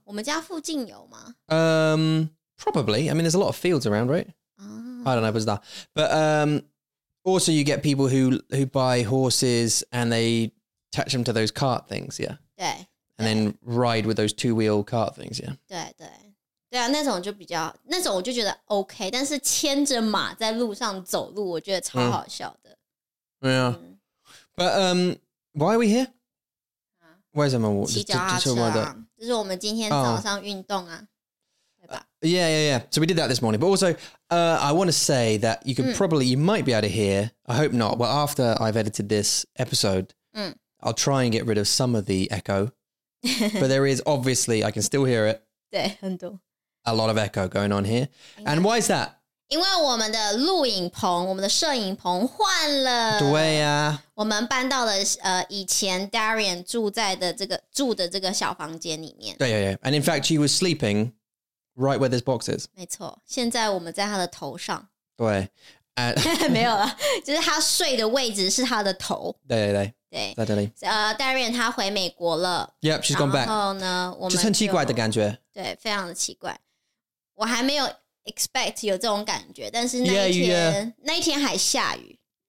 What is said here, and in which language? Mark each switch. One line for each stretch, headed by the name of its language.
Chinese: 我们家附近有吗？
English: Probably. I mean, there's a lot of fields around, right? I don't know,
Chinese: 不知道。
English: But also you get people who buy horses and they attach them to those cart things, yeah. Yeah. And then ride with those two-wheel cart things, yeah.
Chinese: 对对。对啊，那种就比较，那种我就觉得 OK， 但是牵着马在路上走路我觉得超好笑的。对啊。
English: But, why are we here?
Chinese: 为什么我骑脚踏车啊？就是我们今天早上运动啊，对吧
English: ？Yeah, yeah, yeah. So we did that this morning. But also, I want to say that you could probably, you might be able to hear. I hope not. Well, after I've edited this episode, I'll try and get rid of some of the echo. But there is obviously, I can still hear it.
Chinese: 对，很多。
English: A lot of echo going on here. And why is that?
Chinese: 因为我们的录影棚，我们的摄影棚换了。对啊。我们搬到了以前 Darian 住在的这个住的这个小房间里面。对
English: yeah, yeah. And in fact, she was sleeping right where this box is.
Chinese: 没错，现在我们在她的头上。对，没有了，就是她睡的位置是她的头。对对对对，在这里。 Darian 她回美国了。
English: Yep, she's gone back.
Chinese: 然后呢，我们就很奇怪的感觉。对，非常的奇怪。我还没有 expect 有这种感觉，但是那一天还下雨。